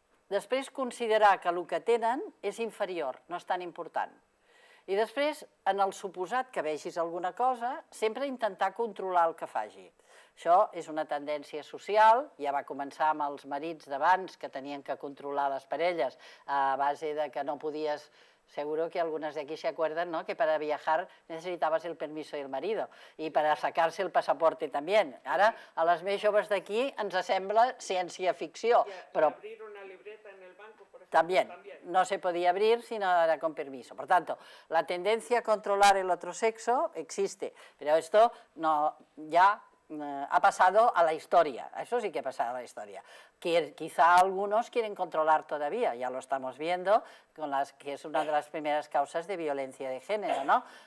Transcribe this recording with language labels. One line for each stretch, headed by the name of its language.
Catalan: Després, considerar que el que tenen és inferior, no és tan important. I després, en el suposat que vegis alguna cosa, sempre intentar controlar el que faci. Això és una tendència social, ja va començar amb els marits d'abans que tenien que controlar les parelles a base de que no podies...
Spanish: Seguro que
Catalan: algunes d'aquí
Spanish: se acuerden, no?, que para viajar necesitabas el permiso del marido y para sacarse el pasaporte también.
Catalan: Ara, a les més joves d'aquí ens sembla ciència-ficció, però...
Spanish: Y abrir una libreta en el banco, por ejemplo, también. No se podía abrir si no era con permiso. Por tanto, la tendencia a controlar el otro sexo existe, pero esto no, ya ha pasado a la historia. Eso sí que ha pasado a la historia. Quizá algunos quieren controlar todavía, ya lo estamos viendo, que es una de las primeras causas de violencia de género, ¿no?